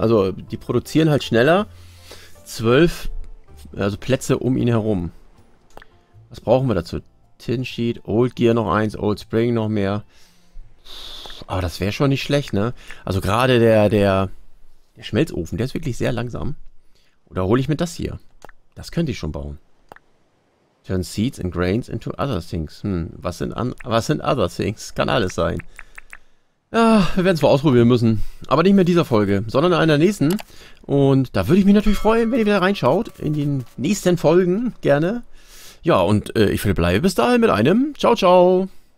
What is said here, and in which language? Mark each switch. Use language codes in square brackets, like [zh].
[de] Also die produzieren halt schneller. 12, also Plätze um ihn herum. Was brauchen wir dazu? [en] Tin Sheet, Old Gear [de] noch eins, [en] Old Spring [de] noch mehr. Aber das wäre schon nicht schlecht, ne? Also gerade der Schmelzofen, der ist wirklich sehr langsam. Oder hole ich mir das hier? Das könnte ich schon bauen. [en] Turn seeds and grains into other things. [de] Was sind [en] other things? [de] Kann alles sein. Ja, wir werden es wohl ausprobieren müssen. Aber nicht mehr in dieser Folge, sondern in einer nächsten. Und da würde ich mich natürlich freuen, wenn ihr wieder reinschaut. In den nächsten Folgen gerne. Ja, und ich verbleibe bis dahin mit einem Ciao, ciao.